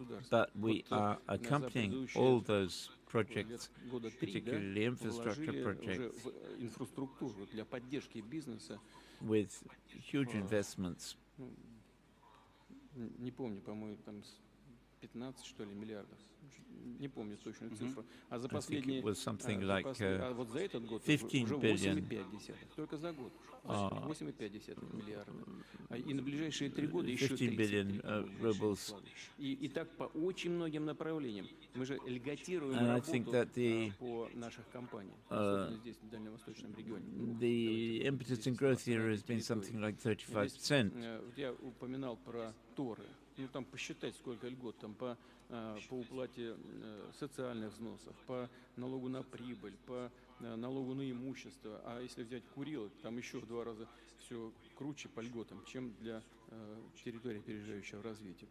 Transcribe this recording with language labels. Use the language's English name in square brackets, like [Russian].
[English] But we are accompanying all those projects, particularly infrastructure projects, with huge investments. [Russian] Не помню, по-моему, там 15 что ли миллиардов. Не помню точную цифру. А за последние вот за этот год уже 8,5. Только за год. 8,5 миллиарда. И на ближайшие три года еще 30 миллиардов. И так по очень многим направлениям. Мы же льготируем работу по наших компаниям. Здесь, в Дальневосточном регионе. [English] The impetus in growth here has been something like 35%. [Russian] Я упоминал про Торы. Ну, там посчитать, сколько льгот там по уплате социальных взносов, по налогу на прибыль, по налогу на имущество. А если взять Курилы, там еще в два раза все круче по льготам, чем для территории опережающего развития.